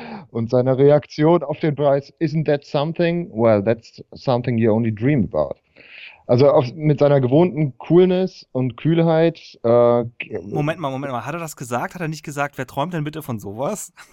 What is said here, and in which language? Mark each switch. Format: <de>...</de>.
<de>Und seine Reaktion auf den Preis, isn't that something?</de> <en>Well, that's something you only dream about.</en> <de>Also mit seiner gewohnten Coolness und Kühlheit. Moment mal, Moment mal. Hat er das gesagt? Hat er nicht gesagt, wer träumt denn bitte von sowas?</de>